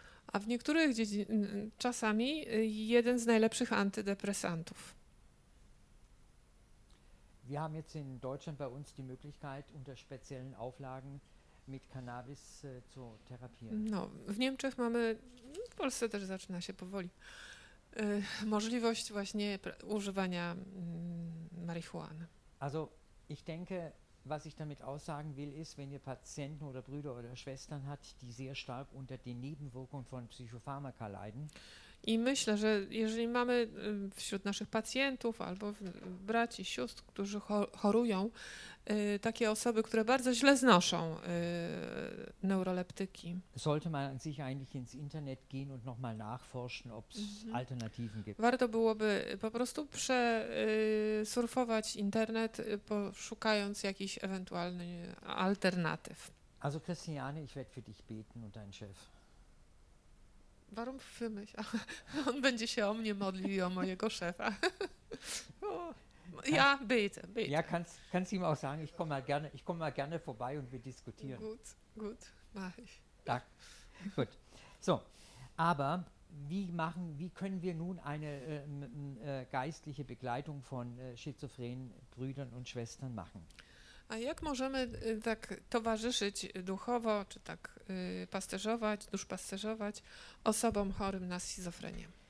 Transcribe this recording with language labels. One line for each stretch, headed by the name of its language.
Polish: A w niektórych czasami jeden z najlepszych antydepresantów.
German: Wir haben jetzt in Deutschland bei uns die Möglichkeit unter speziellen Auflagen mit Cannabis zu therapieren.
Polish: No, w Niemczech mamy, w Polsce też zaczyna się powoli, możliwość właśnie używania marihuany.
German: Also, ich denke, was ich damit aussagen will, ist, wenn ihr Patienten oder Brüder oder Schwestern habt, die sehr stark unter den Nebenwirkungen von Psychopharmaka leiden.
Polish: I myślę, że jeżeli mamy wśród naszych pacjentów albo braci, sióstr, którzy chorują, takie osoby, które bardzo źle znoszą neuroleptyki.
German: Sollte man an sich eigentlich ins Internet gehen und nochmal nachforschen, ob es Alternativen gibt.
Polish: Warto byłoby po prostu przesurfować internet, poszukając jakichś ewentualnych alternatyw.
German: Also Christiane, ich werde für dich beten und dein Chef. Warum für mich?
Polish: On będzie się o mnie modlił i o mojego szefa.
German: Ja, bitte, bitte. Ja, kannst ihm auch sagen, ich komme mal gerne vorbei und wir diskutieren. Gut, gut, mach ich. Danke. Gut. So, aber wie können wir nun eine geistliche Begleitung von schizophrenen Brüdern und Schwestern machen?
Polish: A jak możemy tak towarzyszyć duchowo, czy tak pasterzować, duszpasterzować osobom chorym na schizofrenię?